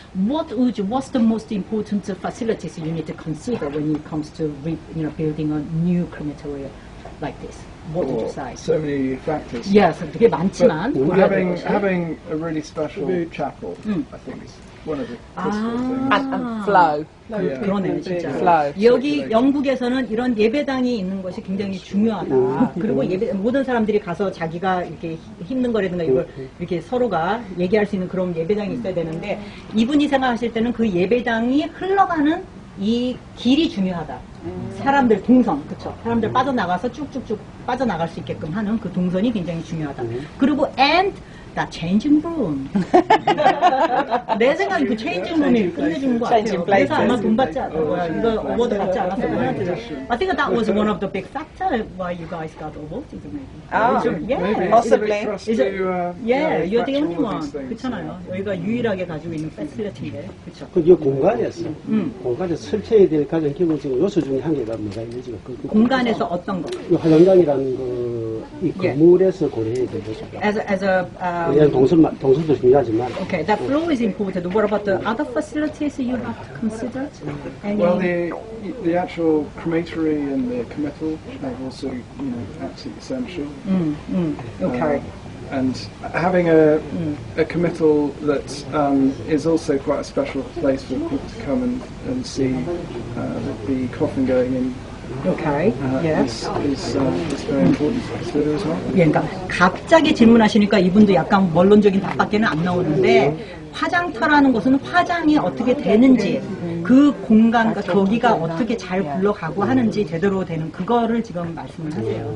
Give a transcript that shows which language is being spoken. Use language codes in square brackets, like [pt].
[en] What's the most important facilities you need to consider when it comes to building a new crematorium like this? What did you say? So many factors. [ko] Yes, 되게 많지만. [en] Having a really special chapel, I think, is one of the principal things. And flow. [ko] Yeah. 그러네요, 진짜. [en] Flow. [ko] 여기 영국에서는 이런 예배당이 있는 것이 굉장히 중요하다. 그리고 모든 사람들이 가서 자기가 이렇게 힘든 거라든가 이걸 이렇게 서로가 얘기할 수 있는 그런 예배당이 있어야 되는데 이분이 생각하실 때는 그 예배당이 흘러가는 이 길이 중요하다. 사람들 동선, 그쵸? 사람들 빠져나가서 쭉쭉쭉 빠져나갈 수 있게끔 하는 그 동선이 굉장히 중요하다. 그리고 [en] and the changing room. [ko] 내 생각엔 그 changing room이 끝내주는 것 같아요. 그래서 아마 돈 받지 않았을 거야. 이거 award 받지 않았을 거야. [en] I think that was one of the big factors why you guys got awarded, maybe. Oh, yeah. Possibly. Yeah, you're the only one. [ko] 그렇잖아요. 여기가 유일하게 가지고 있는 facility인데. 그게 공간이었어. 공간에서 설치해야 될 가장 기본적인 요소 중에 한 개가 뭐가 있는지. 공간에서 어떤 거? 화장장이라는 거. 이 건물에서 고려해야 되죠. [en] As a [ko] 동선도 중요하지만. [en] Okay, that flow is important. What about the other facilities you have to consider? Well, the actual crematory and the committal are also, you know, absolutely essential. Okay. And having a committal that is also quite a special place for people to come and see the coffin going in. Okay. Yes. It's very important. [ko] Yeah, 그러니까 갑자기 질문하시니까 이분도 약간 원론적인 답밖에는 안 나오는데 화장터라는 것은 화장이 어떻게 되는지 그 공간과 거기가 어떻게 잘 굴러가고 하는지 제대로 되는 그거를 지금 말씀을 하세요.